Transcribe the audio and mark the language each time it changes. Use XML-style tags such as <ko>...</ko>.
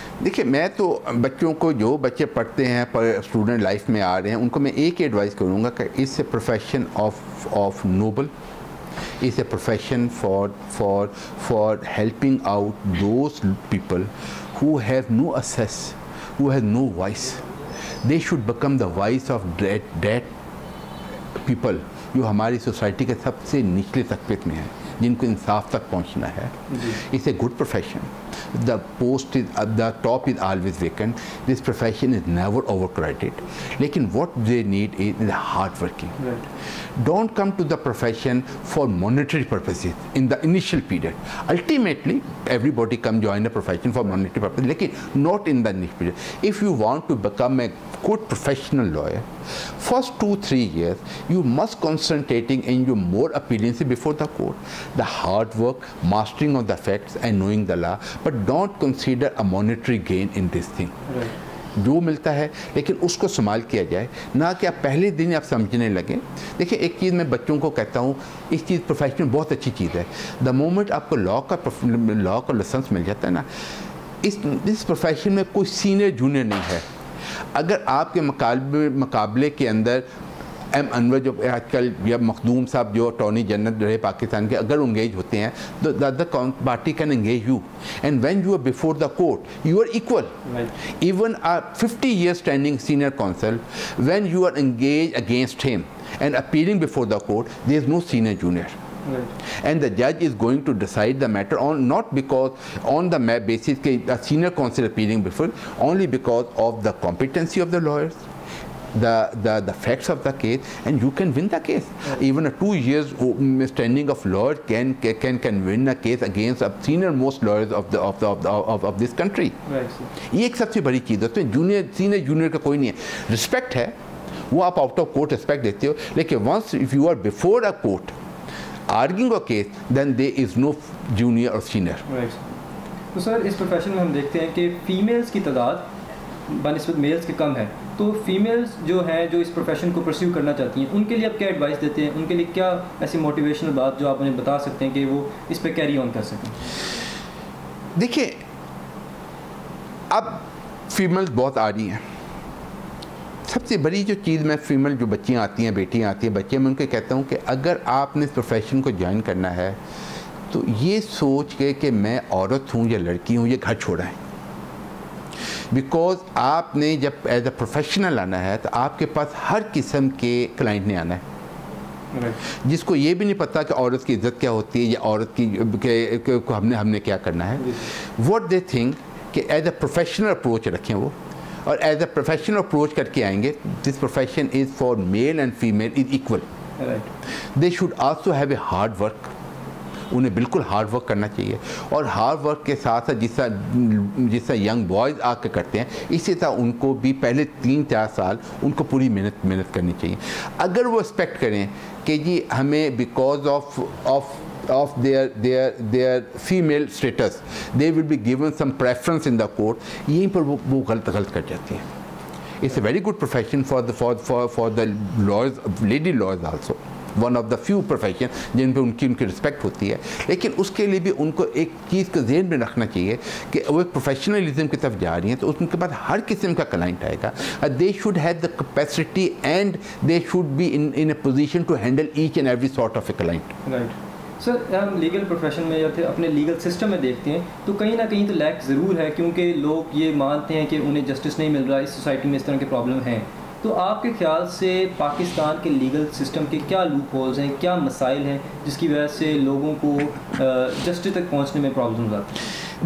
<ur>دیکھیے، میں تو بچوں کو، جو بچے پڑھتے ہیں پر اسٹوڈنٹ لائف میں آ رہے ہیں، ان کو میں ایک ایڈوائس کروں گا کہ</ur> <en>Is a profession of noble, is a profession for helping out those people who have no access, who have no voice. They should become the voice of that people</en> <ur>جو ہماری سوسائٹی کے سب سے نچلے طبقے میں ہیں، جن کو انصاف تک پہنچنا ہے.</ur> <en>It's a good profession. The post is at the top is always vacant. This profession is never over credit. لیکن what they need is hard working. Don't come to the profession for monetary purposes in the initial period. Ultimately everybody come join the profession for monetary purpose, لیکن not in the initial period. If you want to become a good professional lawyer, first 2-3 years you must concentrating in your more appearance before the court. The hard work, mastering of the facts and knowing the law, but don't consider a monetary gain in this thing.</en> <ur>جو ملتا ہے لیکن اس کو استعمال کیا جائے، نہ کہ آپ پہلے دن آپ سمجھنے لگیں. دیکھیں، ایک چیز میں بچوں کو کہتا ہوں، اس چیز پروفیشن بہت اچھی چیز ہے.</ur> <en>the moment</en> <ur>آپ کو لا کا لائسنس مل جاتا ہے نا، اس پروفیشن میں کوئی سینئر جونیئر نہیں ہے. اگر آپ کے مقابلے کے اندر ایم انور جو آج کل، یا مخدوم صاحب جو اٹارنی جنرل رہے پاکستان کے، اگر انگیج ہوتے ہیں تو</ur> <en>The party can engage you. And when you are before the court you are equal. Even a 50 year standing senior council, when you are engage against him and appearing before the court, there is know senior junior. And the جج is going to decide the matter on not because on the basis کے senior counsel appearing before, only because of the competency of the lawyers, the facts of the case, and you can win the case. Even a 2 years standing of lawyer can win a case against a senior most lawyers of this country.</en> <ur>یہ ایک سب سے بڑی چیز ہے. Junior senior junior کا کوئی نہیں ہے. رسپیکٹ ہے وہ آپ آؤٹ آف کورٹ رسپیکٹ دیتے ہو، لیکن</ur> <en>Once if you are before a court arguing a case, then they is no junior اور senior.</en> <ur>تو سر، اس پروفیشن میں ہم دیکھتے ہیں کہ فیمیلس کی تعداد بہ نسبت میلس کے کم ہے، تو فیمیلس جو ہیں جو اس پروفیشن کو پرسیو کرنا چاہتی ہیں، ان کے لیے آپ کیا ایڈوائس دیتے ہیں؟ ان کے لیے کیا ایسی موٹیویشنل بات جو آپ انہیں بتا سکتے ہیں کہ وہ اس پہ کیری آن کر سکیں؟ دیکھیں، اب فیمیلس بہت آ رہی ہیں. سب سے بڑی جو چیز میں فیمیل جو بچیاں آتی ہیں، بیٹیاں آتی ہیں، بچے، میں ان کے کہتا ہوں کہ اگر آپ نے اس پروفیشن کو جوائن کرنا ہے تو یہ سوچ کے کہ میں عورت ہوں یا لڑکی ہوں، یہ گھر چھوڑا ہے. بیکوز آپ نے جب ایز اے پروفیشنل آنا ہے تو آپ کے پاس ہر قسم کے کلائنٹ نے آنا ہے، جس کو یہ بھی نہیں پتہ کہ عورت کی عزت کیا ہوتی ہے یا عورت کی ہم نے کیا کرنا ہے.</ur> <en>what they think</en> <ur>کہ ایز اے پروفیشنل اپروچ رکھیں وہ، اور ایز اے پروفیشنل اپروچ کر کے آئیں گے،</ur> <en>This profession is for male and female is equal. They should also have a hard work.</en> <ur>انہیں بالکل ہارڈ ورک کرنا چاہیے، اور ہارڈ ورک کے ساتھ ساتھ جس طرح ینگ بوائز آ کے کرتے ہیں، اسی طرح ان کو بھی پہلے 3-4 سال ان کو پوری محنت کرنی چاہیے. اگر وہ ایکسپیکٹ کریں کہ جی ہمیں</ur> <en>because of their female status they will be given some preference in the court,</en> <ur>یہیں پر وہ غلط کر جاتی ہیں.</ur> <en>it's a very good profession for the lawyers, lady lawyers also, one of the few profession</en> <ur>جن پہ ان کی رسپیکٹ ہوتی ہے. لیکن اس کے لیے بھی ان کو ایک چیز کا ذہن میں رکھنا چاہیے کہ وہ ایک پروفیشنلزم کی طرف جا رہی ہیں، تو اس کے بعد ہر قسم کا کلائنٹ آئے گا.</ur> <en>They should have the capacity and they should be in a position to handle each and every sort of a client.</en> <ur>Right sir, ہم لیگل پروفیشن میں یا پھر اپنے لیگل سسٹم میں دیکھتے ہیں تو کہیں نہ کہیں تو لیک ضرور ہے، کیونکہ لوگ یہ مانتے ہیں کہ انہیں جسٹس نہیں مل رہا، اس سوسائٹی میں اس طرح کے پرابلم ہیں. تو آپ کے خیال سے پاکستان کے لیگل سسٹم کے کیا لوپ ہولز ہیں، کیا مسائل ہیں جس کی وجہ سے لوگوں کو جسٹس تک پہنچنے میں پرابلمز آتی ہیں؟</ur>